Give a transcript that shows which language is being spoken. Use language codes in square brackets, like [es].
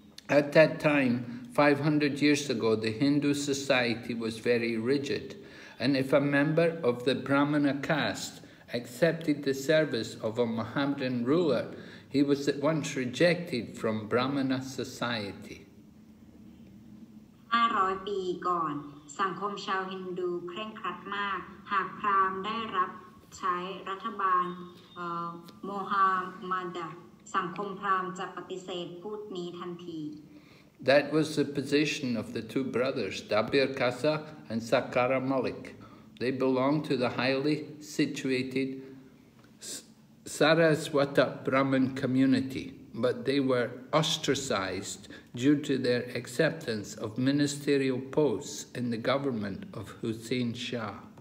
[en] At that time, 500 years ago, the Hindu society was very rigid, and if a member of the Brahmana caste accepted the service of a Mohammedan ruler, he was at once rejected from Brahmana society. [th] 500 ปีก่อนสังคมชาวฮินดูเคร่งครัดมากหากพราหมณ์ได้รับใช้รัฐบาลโมฮัมมัดสังคมพราหมณ์จะปฏิเสธพูดนี้ทันที [en] That was the position of the two brothers, Dabirkasa and Sakara Malik. They belonged to the highly situated Saraswata Brahmin community, but they were ostracized due to their acceptance of ministerial posts in the government of Hussein Shah.